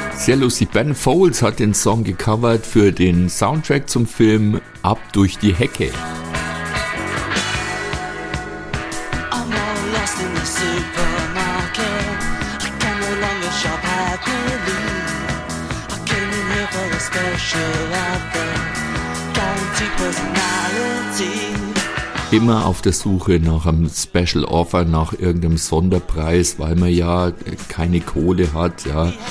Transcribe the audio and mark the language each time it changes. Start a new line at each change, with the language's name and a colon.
German: Sehr lustig, Ben Folds hat den Song gecovert für den Soundtrack zum Film Ab durch die Hecke.
English: I'm all lost in the supermarket. I can no longer shop happily. I came in here for a special offer. Guaranteed personality.
German: Immer auf der Suche nach einem Special Offer, nach irgendeinem Sonderpreis, weil man ja keine Kohle hat, ja.